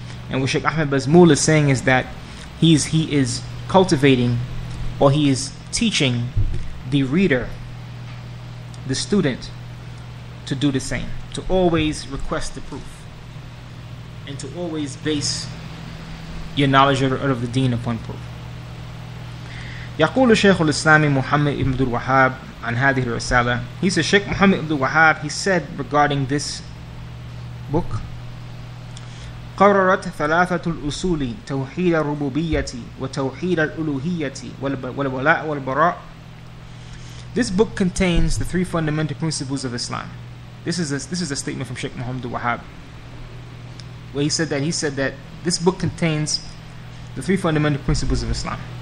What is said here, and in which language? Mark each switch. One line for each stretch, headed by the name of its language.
English: And what Shaykh Ahmed Bazmul is saying is that he is cultivating, or he is teaching the reader, the student, to do the same. To always request the proof, and to always base your knowledge out of the deen upon proof.
Arabic: يقول شيخ الإسلام محمد بن عبد الوهاب عن هذه الرسالة.
English: He says, Sheikh Muhammad ibn Wahhab, he said regarding this book,
Arabic: قررت ثلاثة الأصول توحيد الربوبية وتوحيد الألوهية والولاء والبراء.
English: This book contains the three fundamental principles of Islam. This is a statement from Sheikh Muhammad al-Wahhab, where he said that this book contains the three fundamental principles of Islam.